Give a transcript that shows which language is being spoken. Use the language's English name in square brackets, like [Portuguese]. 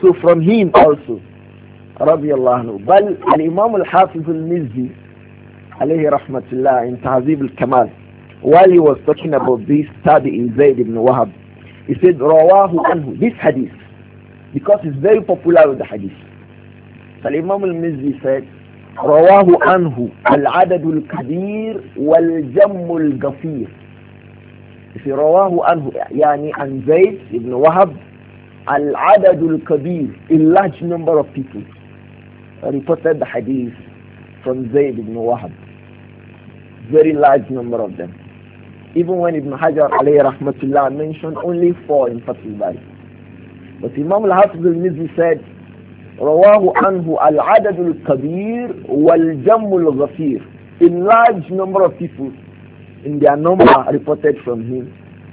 [English] So from him also, radiallahu anhu. But Al-Imam Al-Hafiz Al-Mizzi, alayhi rahmatullah, in Tahzib Al-Kamal, while he was talking about this tabi'in Zayd ibn Wahab, he said, [Arabic] rawahu anhu, [English] this hadith, because it's very popular with the hadith. [Arabic] So Al-Imam Al-Mizzi said, رواه عنه العدد الكبير والجم القصير. في رواه عنه يعني عن زيد بن وهب العدد الكبير, [English] a large number of people reported the hadith from زيد بن وهب, very large number of them. Even when Ibn Hajar عليه رحمة الله mentioned only four in Fath al-Bari, but Imam al-Hafiz al-Mizzi said [Arabic] رواه عنه العدد الكبير والجم الغفير, [English] a large number of people in their number reported from him.